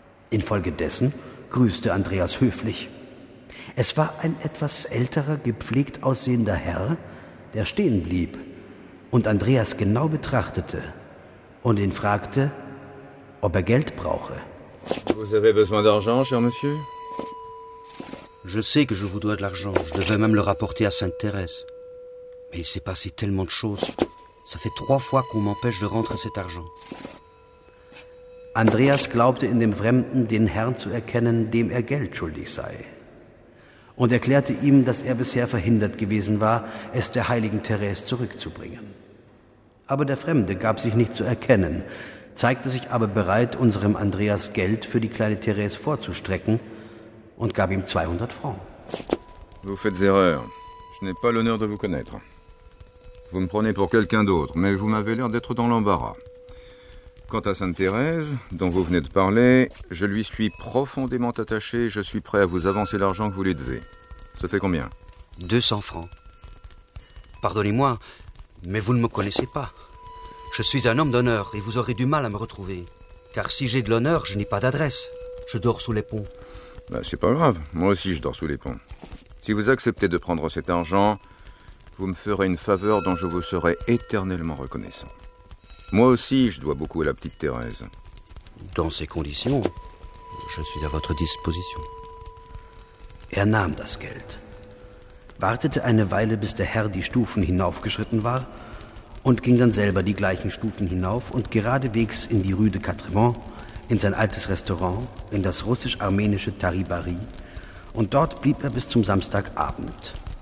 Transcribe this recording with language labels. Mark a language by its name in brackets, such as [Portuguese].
[German] Infolgedessen grüßte Andreas höflich. Es war ein etwas älterer, gepflegt aussehender Herr, der stehen blieb und Andreas genau betrachtete und ihn fragte, ob er Geld brauche. [French] Vous avez besoin d'argent, cher monsieur? Je sais que je vous dois de l'argent. Je devais même le rapporter à Sainte-Thérèse. Mais il s'est passé tellement de choses. Ça fait 3 fois qu'on m'empêche de rendre cet argent. [German] Andreas glaubte in dem Fremden den Herrn zu erkennen, dem er Geld schuldig sei. Und erklärte ihm, dass er bisher verhindert gewesen war, es der heiligen Therese zurückzubringen. Aber der Fremde gab sich nicht zu erkennen, zeigte sich aber bereit, unserem Andreas Geld für die kleine Therese vorzustrecken, und gab ihm 200 Francs. [French] Vous faites erreur. Je n'ai pas l'honneur de vous connaître. Vous me prenez pour quelqu'un d'autre, mais vous m'avez l'air d'être dans l'embarras. Quant à Sainte-Thérèse, dont vous venez de parler, je lui suis profondément attaché et je suis prêt à vous avancer l'argent que vous lui devez. Ça fait combien ? 200 francs. Pardonnez-moi, mais vous ne me connaissez pas. Je suis un homme d'honneur et vous aurez du mal à me retrouver. Car si j'ai de l'honneur, je n'ai pas d'adresse. Je dors sous les ponts. Ben, c'est pas grave, moi aussi je dors sous les ponts. Si vous acceptez de prendre cet argent, vous me ferez une faveur dont je vous serai éternellement reconnaissant. Moi aussi je dois beaucoup à la petite Thérèse. Dans ces conditions, je suis à votre disposition. [German] Er nahm das Geld, wartete eine Weile, bis der Herr die Stufen hinaufgeschritten war, und ging dann selber die gleichen Stufen hinauf und geradewegs in die Rue de Quatremont, in sein altes Restaurant, in das russisch-armenische Taribari, und dort blieb er bis zum Samstagabend.